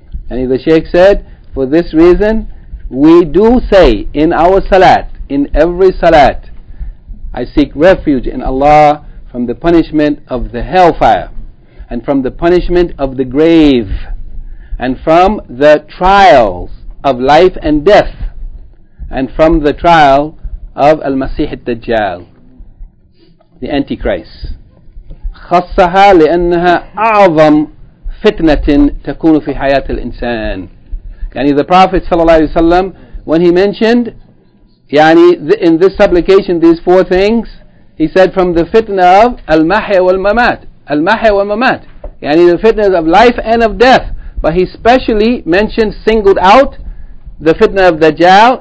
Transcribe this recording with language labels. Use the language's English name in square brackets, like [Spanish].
[English] And the Shaykh said, for this reason, we do say in our salat, in every salat, I seek refuge in Allah from the punishment of the hellfire, and from the punishment of the grave, and from the trials of life and death, and from the trial of al-masih al-dajjal. The Antichrist. [Arabic] خصها لأنها أعظم فتنة تكون في حياة الإنسان. [English] يعني the Prophet [Arabic] صلى الله عليه وسلم, [English] when he mentioned, in this supplication, these four things, he said from the fitna of [Arabic] المحيا والممات, المحيا والممات, يعني [English] the fitna of life and of death. But he specially mentioned, singled out the fitna of Dajjal.